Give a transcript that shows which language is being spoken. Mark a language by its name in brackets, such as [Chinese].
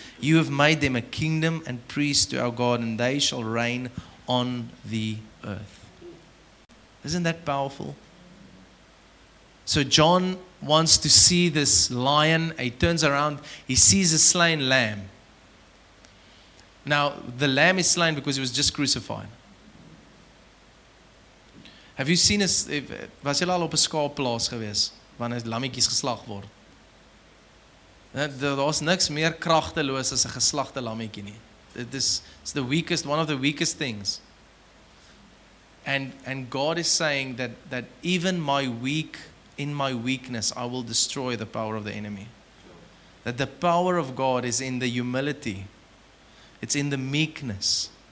[English] You have made them a kingdom and priests to our God, and they shall reign on the earth." Isn't that powerful? So John wants to see this lion. He turns around. He sees a slain lamb. Now, the lamb is slain because he was just crucified. Have you seen this? [Afrikaans] Was hulle al op 'n skaapplaas gewees wanneer lammetjies geslag word? Daar's niks meer kragteloos as 'n geslagte lammetjie nie. [English] It's the weakest, one of the weakest things. And God is saying that even in my weakness, I will destroy the power of the enemy. That the power of God is in the humility. It's in the meekness.